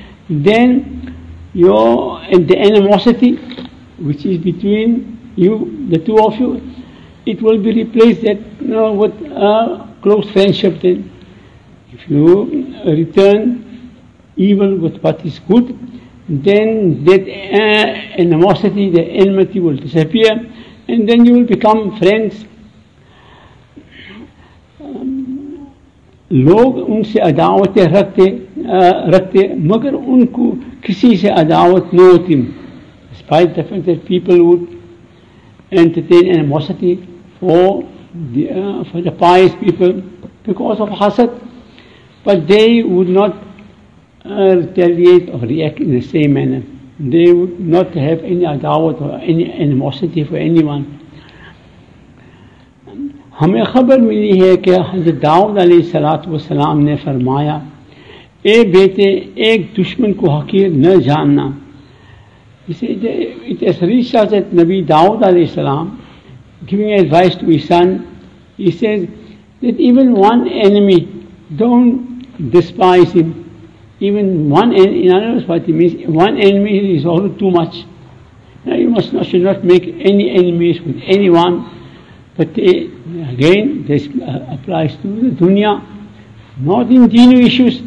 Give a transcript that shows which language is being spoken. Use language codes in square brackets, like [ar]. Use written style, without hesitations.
[en] Then the animosity which is between you, the two of you, it will be replaced with a close friendship. Then if you return evil with what is good, then that animosity, the enmity will disappear, and then you will become friends. [ur] لوگ ان سے عداوتیں رکھتے مگر ان کو کسی سے عداوت نہ ہوتی. [en] Despite the fact that people would entertain animosity for the pious people because of hasad, but they would not retaliate or react in the same manner. They would not have any adawat or any animosity for anyone. [ur] ہمیں خبر ملی ہے کہ حضرت داؤد علیہ السلام والسلام نے فرمایا، اے بیٹے، ایک دشمن کو حقیر نہ جاننا. اسے تصریح شاہد نبی داؤد علیہ السلام [en] giving advice to his son. He says that even one enemy, don't despise him. Even one, in other words, what he means, one enemy is also too much. Now you must not, should not make any enemies with anyone. But again, this applies to the dunya, not in dini issues.